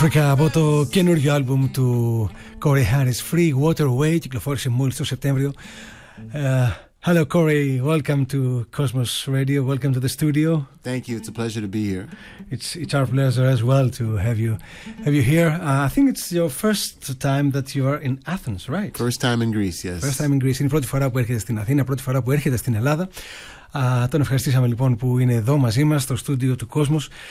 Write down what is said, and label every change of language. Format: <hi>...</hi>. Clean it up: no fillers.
<el>Από το καινούργιο άλμπουμ του Corey Harris, Free Waterway, κυκλοφόρησε μόλις το Σεπτέμβριο.</el> <en>Hello Corey, welcome to Cosmos Radio, welcome to the studio. Thank you, it's a pleasure to be here. It's our pleasure as well to have you here. I think it's your first time that you are in Athens, right? First time in Greece, yes. First time in Greece,</en> <el>είναι η πρώτη φορά που έρχεται στην Αθήνα, πρώτη φορά που έρχεται στην Ελλάδα. Τον ευχαριστήσαμε λοιπόν που είναι εδώ μαζί μας στο στούντιο του Κόσμος.</el>